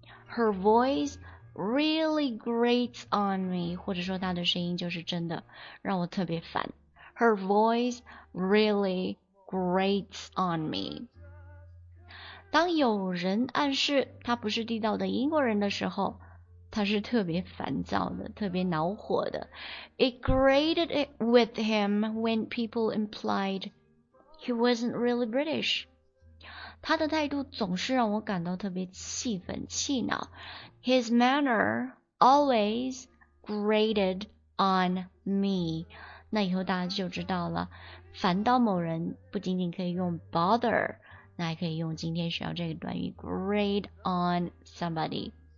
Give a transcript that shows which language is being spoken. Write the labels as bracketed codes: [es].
[zh] Her voice really grates on me，或者说她的声音就是真的让我特别烦。 [en] Her voice really grates on me。 [zh] 当有人暗示他不是地道的英国人的时候，他是特别烦躁的，特别恼火的。 [en] It grated with him when people implied he wasn't really British. [zh] 他的态度总是让我感到特别气愤、气恼。 [en] His manner always grated on me. [zh] 那以后大家就知道了，烦到某人不仅仅可以用 bother， 那还可以用今天学到这个短语 grate on somebody。